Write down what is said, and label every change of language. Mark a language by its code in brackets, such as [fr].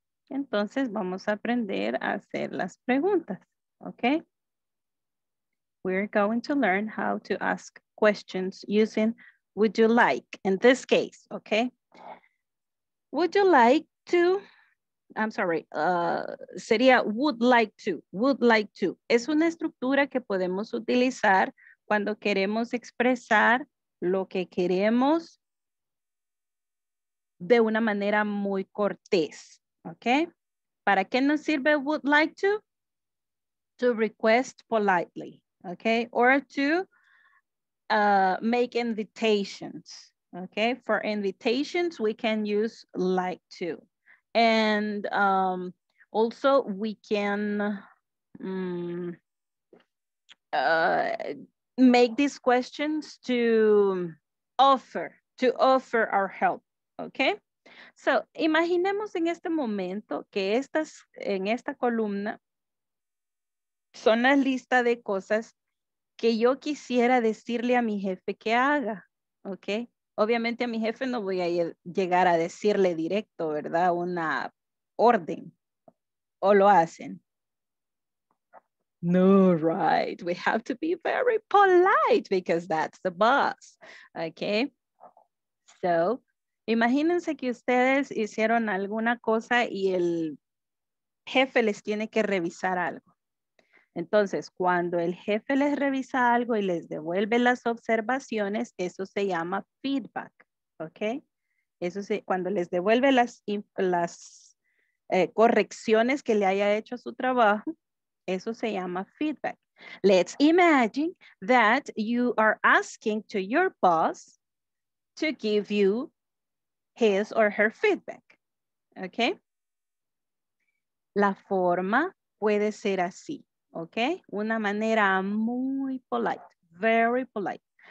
[es] Entonces vamos a aprender a hacer las preguntas, okay? [en] We're going to learn how to ask questions using would you like in this case, okay? Would you like to, I'm sorry, [es] sería [en] would like to. [es] Es una estructura que podemos utilizar cuando queremos expresar lo que queremos de una manera muy cortés, okay? ¿Para qué nos sirve [en] would like to? To request politely, okay? Or to make invitations. Okay, for invitations, we can use like to. And also we can make these questions to offer our help, okay? [es] So imaginemos en este momento que estas, en esta columna son la lista de cosas que yo quisiera decirle a mi jefe que haga, okay? Obviamente a mi jefe no voy a llegar a decirle directo, ¿verdad? Una orden. ¿O lo hacen? [en] No, right. We have to be very polite because that's the boss. Okay. [es] So, imagínense que ustedes hicieron alguna cosa y el jefe les tiene que revisar algo. Entonces, cuando el jefe les revisa algo y les devuelve las observaciones, eso se llama feedback, ¿ok? Eso sí, cuando les devuelve las correcciones que le haya hecho a su trabajo, eso se llama feedback. [en] Let's imagine that you are asking to your boss to give you his or her feedback, ¿ok? [es] La forma puede ser así. Okay, una manera muy polite, [en] very polite.